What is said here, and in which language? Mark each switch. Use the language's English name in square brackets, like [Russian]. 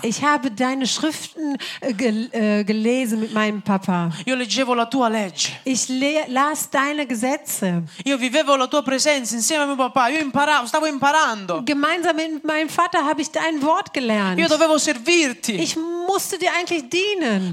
[German] Ich habe deine Schriften gelesen mit meinem Papa. [Italian] Io leggevo la tua legge. [German] Ich las deine Gesetze. [Italian] Io vivevo la tua presenza insieme a mio papà. Io imparavo, stavo imparando. [German] Gemeinsam mit meinem Vater habe ich dein Wort gelernt. [Italian] Io dovevo servirti. [German] Ich musste dir eigentlich dienen.